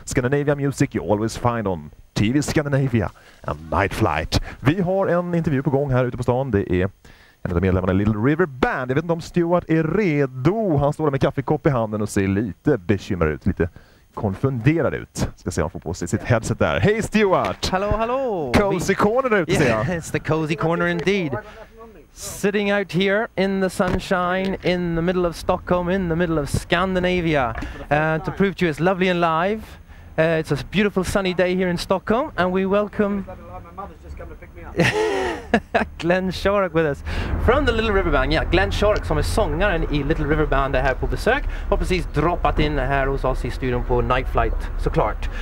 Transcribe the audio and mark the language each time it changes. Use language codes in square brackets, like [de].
[en] Scandinavia music you always find on TV Scandinavia and Nightflight. [sv] Vi har en intervju på gång här ute på stan. Det är en av de medlemmarna i Little River Band. Jag vet inte om Stuart är redo. Han står där med kaffekopp i handen och ser lite bekymrad ut, lite konfunderad ut. Ska se om han får på sig sitt headset där. Hej Stuart! Hallå, hallå! [en] Cozy corner [sv] ute, [en] yeah, [sv] ser jag. [en] It's the cozy corner indeed. Sitting out here in the sunshine, in the middle of Stockholm, in the middle of Scandinavia. To prove to you it's lovely and live. It's a beautiful sunny day here in Stockholm, and we welcome Glenn Shorrock with us from the Little River Band. Yeah, Glenn Shorrock [sv] som är sångaren i Little River Band är här på besök. Har precis droppat in här hos oss i studion på Nightflight, såklart.